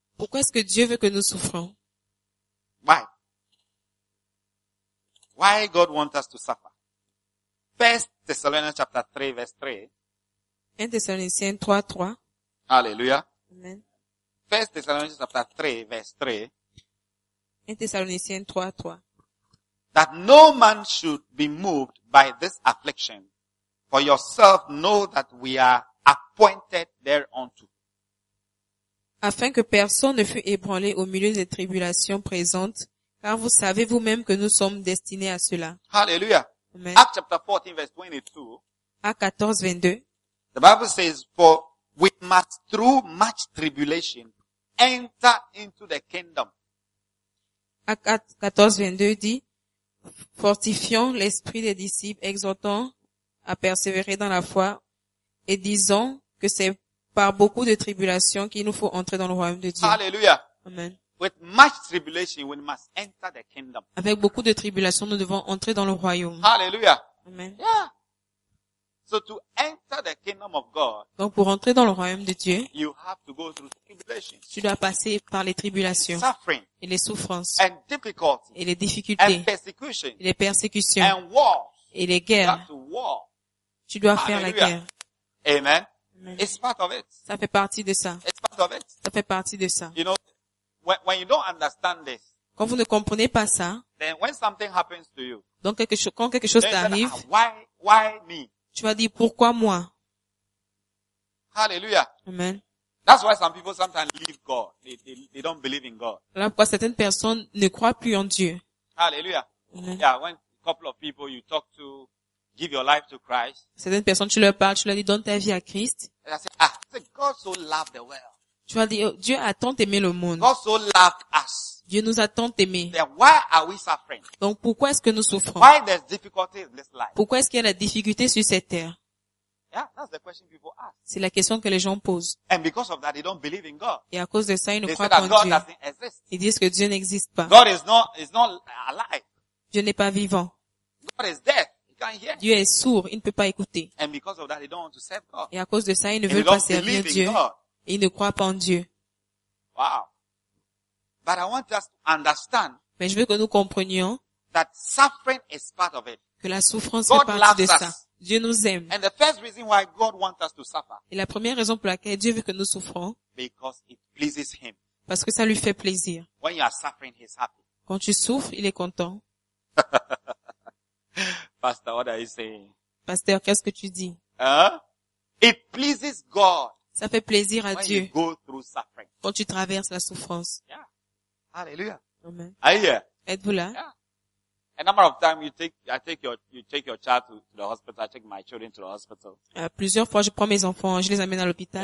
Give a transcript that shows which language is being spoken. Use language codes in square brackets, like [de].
[fr] Pourquoi est-ce que Dieu veut que nous souffrons? [en] Why? Why God wants us to suffer? 1 Thessalonians chapter 3 verse 3. [fr] 1 Thessaloniciens 3, 3. [en] Hallelujah. Amen. 1 Thessalonians chapter 3 verse 3. [fr] Thessaloniciens 3, 3. [en] That no man should be moved by this affliction. For yourself know that we are appointed thereunto. [fr] Afin que personne ne fût ébranlé au milieu des tribulations présentes, car vous savez vous-même que nous sommes destinés à cela. [en] Hallelujah. Amen. Acts chapter 14 verse 22. Acts 14, 22. The Bible says, for we must through much tribulation enter into the kingdom. [fr] Acte 14, 22 dit, fortifions l'esprit des disciples, exhortant à persévérer dans la foi et disons que c'est par beaucoup de tribulations qu'il nous faut entrer dans le royaume de Dieu. Alléluia. Amen. [en] With much tribulation, we must enter the kingdom. [fr] Avec beaucoup de tribulations, nous devons entrer dans le royaume. Alléluia. Amen. [en] Yeah. So to enter the kingdom of God, [fr] donc pour entrer dans le royaume de Dieu, [en] you have to go through tribulations. [fr] Tu dois passer par les tribulations, [en] suffering, [fr] et les souffrances, [en] and difficulties, [fr] et les difficultés, [en] and persecution, [fr] et les persécutions, [en] and wars, [fr] et les guerres. [en] You have to war. [fr] Tu dois Alléluia. Faire la guerre. [en] Amen. It's part of it. [fr] Ça fait partie de ça. [en] It's part of it. [fr] Ça fait partie de ça. [en] You know, when you don't understand this, [fr] quand vous ne comprenez pas ça, [en] then when something happens to you, [fr] donc quand quelque chose t'arrive, [en] why me? [fr] Tu vas dire pourquoi moi? [en] Hallelujah. Amen. That's why some people sometimes leave God. They don't believe in God. [fr] Là pourquoi certaines personnes ne croient plus en Dieu. [en] Hallelujah. Amen. Yeah, when a couple of people you talk to. Give your life to Christ. [fr] Certaines personnes, tu leur parles, tu leur dis, donne ta vie à Christ. [en] And I say, ah, God so loved the world. [fr] Tu vas dire, Dieu a tant aimé le monde. [en] God so loved us. [fr] Dieu nous a tant aimé. [en] Then why are we suffering? [fr] Donc pourquoi est-ce que nous souffrons? [en] Why there's difficulty in this life? [fr] Pourquoi est-ce qu'il y a la difficulté sur cette terre? [en] Yeah, that's the question people ask. [fr] C'est la question que les gens posent. [en] And because of that, they don't believe in God. [fr] Et à cause de ça, ils ne [en] they [fr] croient pas en [en] God [fr] Dieu. [en] Doesn't exist. [fr] Ils disent que Dieu n'existe pas. [en] God is not alive. [fr] Dieu n'est pas vivant. [en] God is dead. [fr] Dieu est sourd, il ne peut pas écouter. [en] And because of that, they don't want to serve God. [fr] Et à cause de ça, ils ne [en] and [fr] veulent pas servir Dieu. [en] God. [fr] Ils ne croient pas en Dieu. [en] Wow. But I want us to understand. [fr] Mais je veux que nous comprenions [en] that suffering is part of it. [fr] Que la souffrance [en] God [fr] fait partie [en] loves [fr] de [en] us. [fr] Ça. Dieu nous aime. [en] And the first reason why God wants us to suffer. [fr] Et la première raison pour laquelle Dieu veut que nous souffrons. [en] Because it pleases him. [fr] Parce que ça lui fait plaisir. [en] When you are suffering, he's happy. [fr] Quand tu souffres, il est content. [en] Pastor, what are you saying? [fr] Pasteur, qu'est-ce que tu dis? [en] Hein? It pleases God. [fr] Ça fait plaisir à [en] when [fr] Dieu. [en] You go through suffering. [fr] Quand tu traverses la souffrance. [en] Yeah. Hallelujah. Amen. Are you here? [fr] Êtes-vous là? [en] Yeah. A number of times you take your child to the hospital. I take my children to the hospital. [fr] Plusieurs fois, je prends mes enfants, je les amène à l'hôpital.